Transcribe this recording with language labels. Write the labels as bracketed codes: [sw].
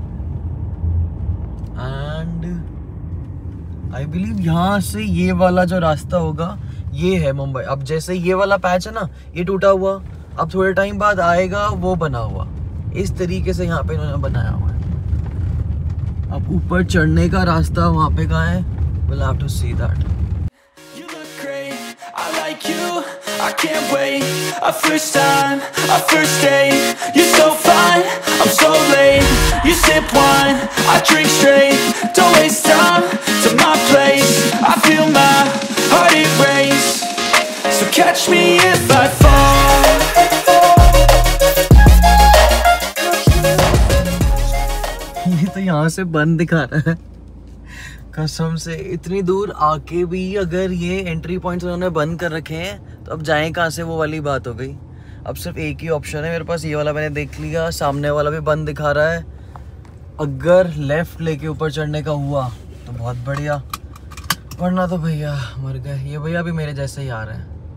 [en] and I believe [hi] यहाँ से ये वाला जो रास्ता होगा ये है मुंबई, अब जैसे ये वाला पैच है ना ये टूटा हुआ, अब थोड़े टाइम बाद आएगा वो बना हुआ, इस तरीके से यहाँ पे इन्होंने बनाया हुआ है। अब ऊपर चढ़ने का रास्ता वहाँ पे कहाँ है, [en] we'll have to see that. You look great, I like you, I can't wait, a first time, a first date, you're so fine, I'm so late, you sip wine, I drink straight, don't waste time, to my place, I feel my heart erase, so catch me if I fall. [hi] यहाँ से बंद दिखा रहा है कसम से, इतनी दूर आके भी अगर ये एंट्री पॉइंट्स उन्होंने बंद कर रखे हैं तो अब जाएं कहाँ से, वो वाली बात हो गई। अब सिर्फ एक ही ऑप्शन है मेरे पास, ये वाला मैंने देख लिया, सामने वाला भी बंद दिखा रहा है, अगर लेफ्ट लेके ऊपर चढ़ने का हुआ तो बहुत बढ़िया, वरना तो भैया मर गए, ये भैया भी मेरे जैसे ही आ रहे हैं।